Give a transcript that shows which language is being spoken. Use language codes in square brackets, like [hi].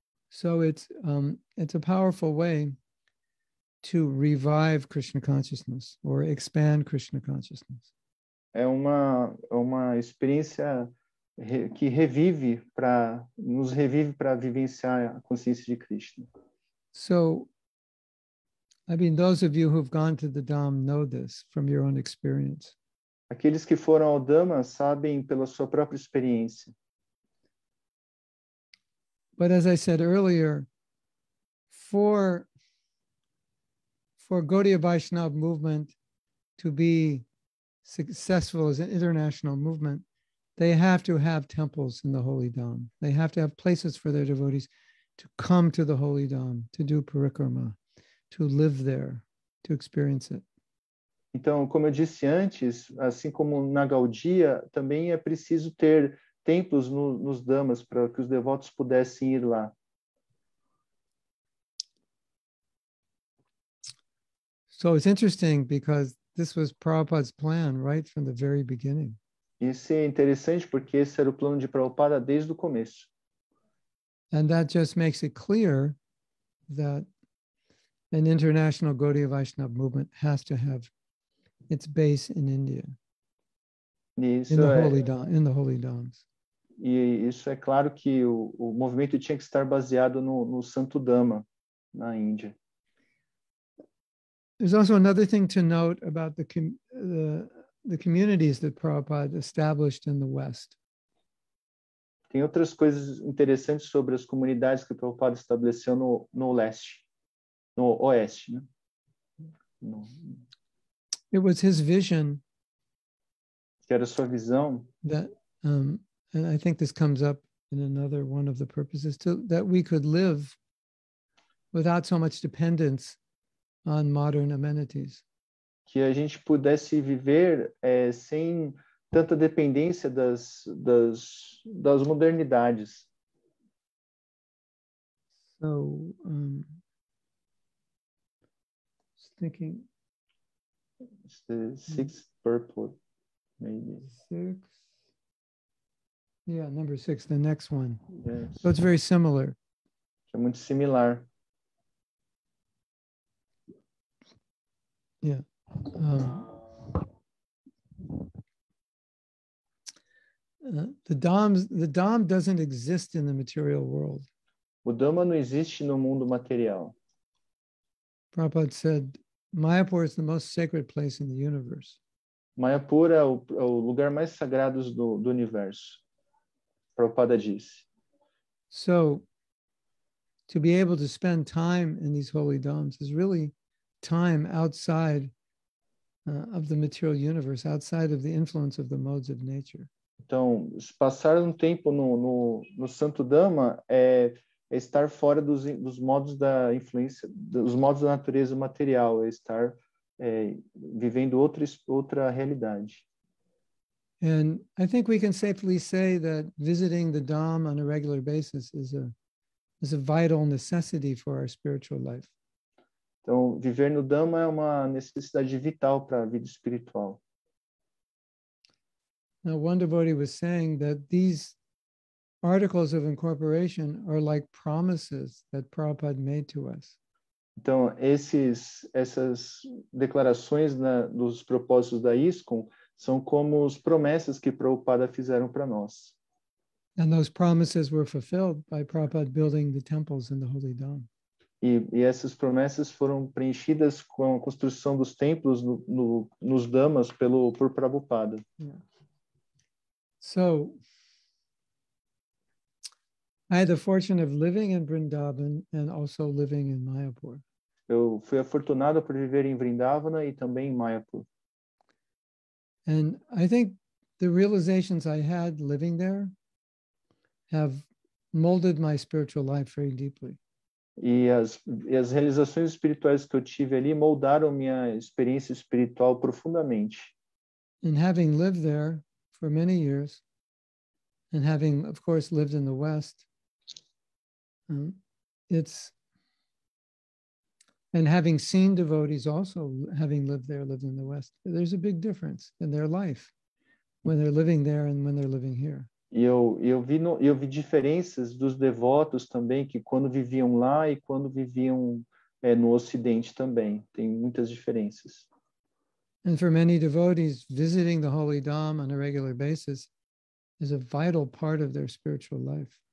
[en] So it's a powerful way to revive Krishna consciousness or expand Krishna consciousness. [pt] É uma experiência que revive para nos revive para vivenciar a consciência de Krishna. [en] So, I mean, those of you who've gone to the Dham know this from your own experience. [pt] Aqueles que foram ao Dhamma sabem pela sua própria experiência. [en] But as I said earlier, for Gaudiya Vaishnava movement to be successful as an international movement, they have to have temples in the Holy Dham. They have to have places for their devotees to come to the Holy Dham, to do parikrama, to live there, to experience it. [pt] Então, como eu disse antes, assim como na Gaudiya, também é preciso ter templos nos Dhammas para que os devotos pudessem ir lá. [en] So it's interesting because this was Prabhupada's plan right from the very beginning. [pt] Isso é interessante porque esse era o plano de Prabhupada desde o começo. [en] And that just makes it clear that an international Gaudiya Vaishnava movement has to have its base in India. In the Holy Dhams. [pt] E isso é claro que o movimento tinha que estar baseado no Santo Dhamma, na Índia. [en] There's also another thing to note about the communities that Prabhupada established in the West. [pt] Tem outras coisas interessantes sobre as comunidades que Prabhupada estabeleceu no leste, no oeste, né? [en] It was his vision. [pt] Que era sua visão. [en] That, and I think this comes up in another one of the purposes, that we could live without so much dependence on modern amenities. [pt] Que a gente pudesse viver sem tanta dependência das modernidades. [en] So, just thinking. It's the sixth purport, maybe. Six. Yeah, number six, the next one. Yes. So it's very similar. [pt] É muito similar. [en] The Dham doesn't exist in the material world. [pt] O Dhamma não existe no mundo material. [en] Prabhupada said, Mayapur is the most sacred place in the universe. [pt] Mayapur é o lugar mais sagrado do universo. Prabhupada disse. [en] So, to be able to spend time in these holy Dhams is really time outside of the material universe, outside of the influence of the modes of nature. [pt] Então, passar tempo no Santo Dhamma é estar fora dos modos da influência, dos modos da natureza material, é estar vivendo outra realidade. [en] And I think we can safely say that visiting the Dham on a regular basis is a vital necessity for our spiritual life. [pt] Então, viver no Dhamma é uma necessidade vital para a vida espiritual. [en] Now, one devotee was saying that these articles of incorporation are like promises that Prabhupada made to us. [pt] Então, essas declarações dos propósitos da ISKCON são como as promessas que Prabhupada fizeram para nós. [en] And those promises were fulfilled by Prabhupada building the temples in the Holy Dham. [pt] E essas promessas foram preenchidas com a construção dos templos nos Dhammas por Prabhupada. [en] Yeah. So, I had the fortune of living in Vrindavan and also living in Mayapur. [pt] Eu fui afortunado por viver em Vrindavana e também em Mayapur. [en] And I think the realizations I had living there have molded my spiritual life very deeply. [pt] E as realizações espirituais que eu tive ali moldaram minha experiência espiritual profundamente. [en] And having lived there for many years, and having, of course, lived in the West, and having seen devotees also having lived in the West, there's a big difference in their life when they're living there and when they're living here. [pt] E eu vi diferenças dos devotos também, que quando viviam lá e quando viviam no Ocidente também. Tem muitas diferenças. [en] And for many devotees, visiting the Holy Dham on a regular basis is a vital part of their spiritual life.